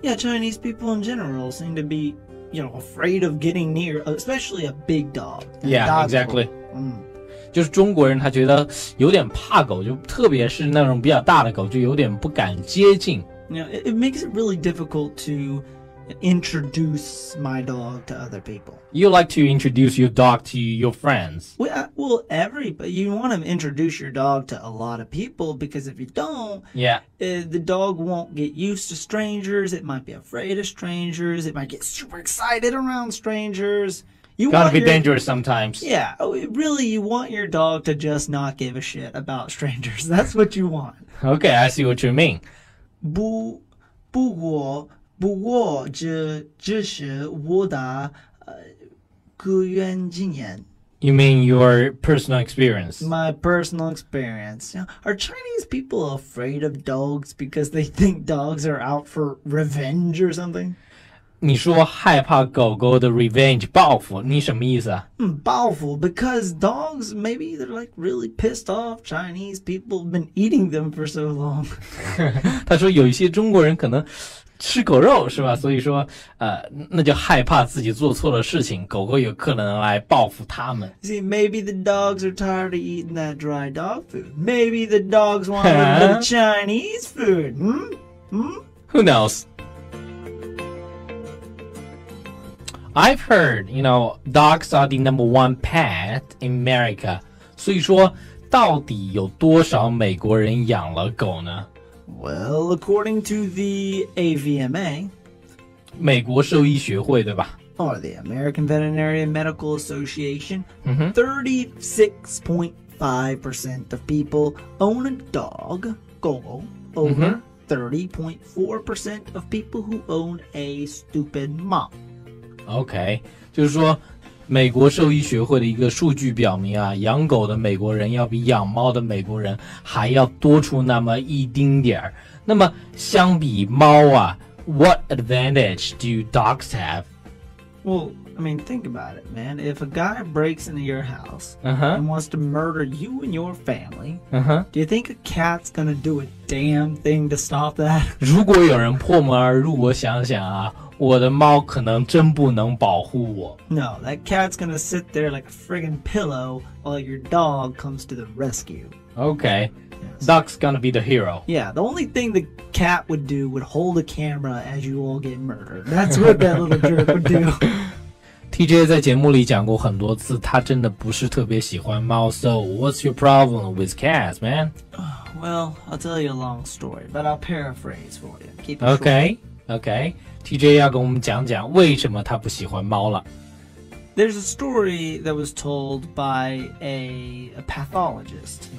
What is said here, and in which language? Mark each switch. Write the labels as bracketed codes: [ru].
[en] Yeah, Chinese people in general seem to be... You know, afraid of getting near, especially a big dog. Yeah, exactly. [zh] 就是中国人他觉得有点怕狗，就特别是那种比较大的狗，就有点不敢接近。 [en] You know, it makes it really difficult to introduce my dog to other people. You like to introduce your dog to your friends? Well, everybody, you want to introduce your dog to a lot of people because if you don't, the dog won't get used to strangers, it might be afraid of strangers, it might get super excited around strangers. Gotta be dangerous sometimes. Yeah, really, you want your dog to just not give a shit about strangers. That's what you want. Okay, I see what you mean. [zh] 不过这是我的个人经验。 [en] You mean your personal experience? My personal experience. You know, are Chinese people afraid of dogs because they think dogs are out for revenge or something? [zh] 你说害怕狗狗的 revenge, 报复,你什么意思啊? [en] 报复, because dogs, maybe they're like really pissed off. Chinese people have been eating them for so long. [zh] 他说有一些中国人可能吃狗肉是吧？所以说，那就害怕自己做错了事情，狗狗有可能来报复他们。 [en] See, maybe the dogs are tired of eating that dry dog food. Maybe the dogs want a little Chinese food. Who knows? I've heard, you know, dogs are the number one pet in America. [zh] 所以说，到底有多少美国人养了狗呢？ [en] Well, according to the AVMA, [zh] 美国兽医学会对吧 [en] or the American Veterinary and Medical Association,、36.5% of people own a dog, 狗狗 over、30.4% of people who own a stupid mop. [zh] Okay, 就是说美国兽医学会的一个数据表明啊，养狗的美国人要比养猫的美国人还要多出那么一丁点儿。那么相比猫啊 [en] ，What advantage do dogs have? Well, I mean, think about it, man. If a guy breaks into your house、 uh-huh. and wants to murder you and your family,、 uh-huh. do you think a cat's gonna do a damn thing to stop that? [zh] 如果有人破门而入，我想想啊。我的猫可能真不能保护我。 [en] No, that cat's gonna sit there like a friggin' pillow while your dog comes to the rescue. Okay, yes. Duck's gonna be the hero. Yeah, the only thing the cat would do would hold a camera as you all get murdered. That's what that little jerk would do. [zh] TJ 在节目里讲过很多次，他真的不是特别喜欢猫。 [en] So what's your problem with cats, man? Well, I'll tell you a long story, but I'll paraphrase for you. Keep it short. Okay. Okay, [zh] TJ 要跟我们讲讲为什么他不喜欢猫了。 [en] There's a story that was told by a pathologist.